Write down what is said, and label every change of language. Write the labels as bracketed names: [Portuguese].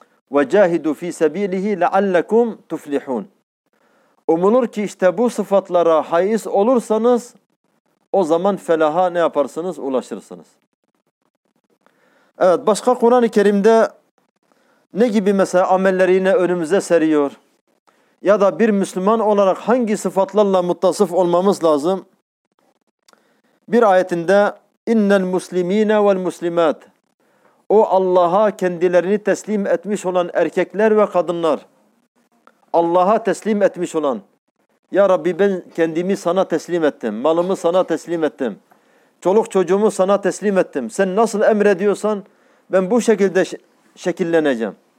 [Arabic] وَجَاهِدُوا فِي سَب۪يلِهِ لَعَلَّكُمْ تُفْلِحُونَ [Turkish] Umulur ki işte bu sıfatlara haiz olursanız, o zaman felaha ne yaparsınız? Ulaşırsınız. Evet, başka Kur'an-ı Kerim'de ne gibi mesela amelleri yine önümüze seriyor? Ya da bir Müslüman olarak hangi sıfatlarla muttasıf olmamız lazım? Bir ayetinde, [Arabic] اِنَّ الْمُسْلِم۪ينَ وَالْمُسْلِمَاتِ [Turkish] o Allah'a kendilerini teslim etmiş olan erkekler ve kadınlar, Allah'a teslim etmiş olan, ya Rabbi ben kendimi sana teslim ettim, malımı sana teslim ettim, çoluk çocuğumu sana teslim ettim, sen nasıl emrediyorsan ben bu şekilde şekilleneceğim.